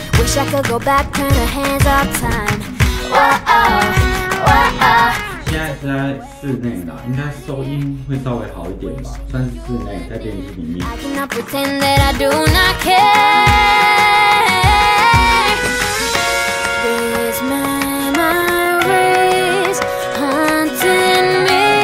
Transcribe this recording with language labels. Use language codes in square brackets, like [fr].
[en] Wish I could go back, turn the hands of time. Whoa, oh, whoa, oh. [zh] 现在是在室内啦，应该收音会稍微好一点吧，算是室内，在电梯里面。 [en] I cannot pretend that I do not care. These memories haunting me.